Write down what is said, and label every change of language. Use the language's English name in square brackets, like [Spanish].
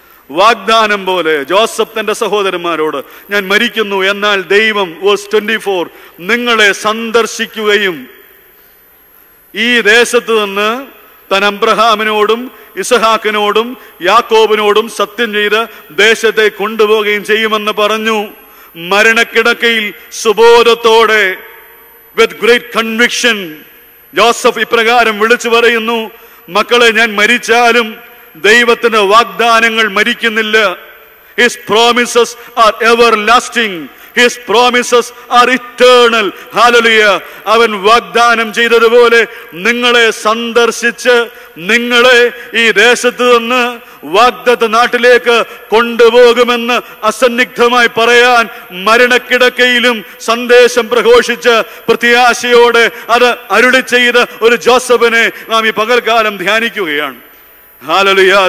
[Malayalam] വാഗ്ദാനം പോലെ ജോസഫ് തന്റെ സഹോദരന്മാരോട്, ഞാൻ മരിക്കുന്നു, എന്നാൽ ദൈവം, verse 24, നിങ്ങളെ സന്ദർശിക്കുകയും ഈ ദേശത്ത് നിന്ന് തൻ അബ്രഹാമിനോടും ഇസഹാക്കിനോടും യാക്കോബിനോടും സത്യം ചെയ്ത് ദേശത്തെ കൊണ്ടുപോവുകയും ചെയ്യുമെന്ന് പറഞ്ഞു. മരണക്കിടക്കയിൽ സുബോധത്തോടെ, [English] with great conviction, [Malayalam] ജോസഫ് ഇപ്രകാരം വിളിച്ചു പറയുന്നു, മക്കളെ, ഞാൻ മരിച്ചാലും ദൈവത്തിന്റെ വാഗ്ദാനങ്ങൾ മരിക്കുന്നില്ല. [English] His promises are ever lasting. His promises are eternal. Hallelujah. [Malayalam] അവൻ വാഗ്ദാനം ചെയ്തതുപോലെ നിങ്ങളെ സന്ദർശിച്ച് നിങ്ങളെ ഈ ദേശത്ത് നിന്ന് വാഗ്ദത്ത നാട്ടിലേക്ക് കൊണ്ടുപോകുമെന്ന് അസന്നിഗ്ധമായി പറയാൻ മരണക്കിടക്കയിലും സന്ദേശം പ്രഘോഷിച്ച് പ്രത്യാശയോടെ അത് അരുളി ചെയ്ത ഒരു ജോസഫിനെ നാം ഈ പകൽക്കാലം ധ്യാനിക്കുകയാണ്. Hallelujah.